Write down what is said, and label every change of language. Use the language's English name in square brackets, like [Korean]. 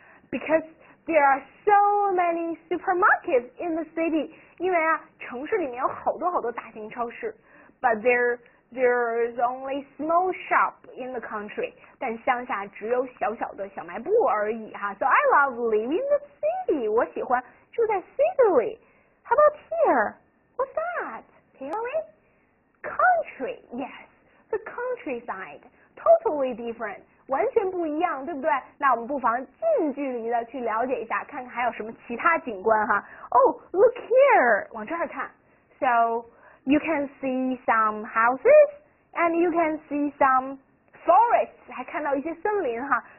[English] Because there are so many supermarkets in the city. [Chinese] 因为啊，城市里面有好多好多大型超市。 [English] But there's only small shop in the country. [Chinese] 但乡下只有小小的小卖部而已哈。 [English] So I love living in the city. [Chinese] 我喜欢住在 city 里。 [English] How about here? What's that? Can we? Country, yes, the countryside, totally different, [Chinese] 完全不一样，对不对？那我们不妨近距离的去了解一下，看看还有什么其他景观哈。 [English] Oh, look here, [Chinese] 往这儿看。 [English] So, you can see some houses, and you can see some forests, [Chinese] 还看到一些森林哈。